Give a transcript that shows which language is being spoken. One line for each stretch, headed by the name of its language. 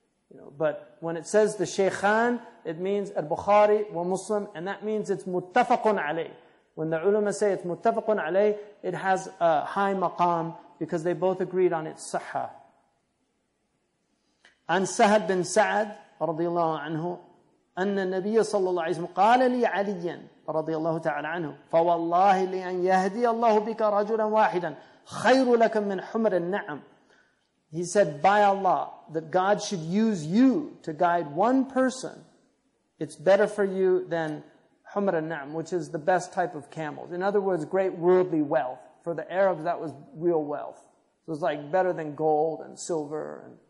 English: You know, but when it says the shaykhan, it means al-Bukhari wa Muslim, and that means it's muttafaqun alayh. When the ulama say it's muttafaqun alayh, it has a high maqam, because they both agreed on its sahha. An Sahad bin Sa'ad,
Arabic: رضي الله عنه, أن النبي صلى الله عليه وسلم قال لي عليا رضي الله تعالى عنه فوالله لأن يهدي الله بك رجلا واحدا خير لك من حمر النعم.
English: He said, by Allah, that God should use you to guide one person, it's better for you than humr al-na'm, which is the best type of camels. In other words, great worldly wealth. For the Arabs, that was real wealth. So it was like better than gold and silver.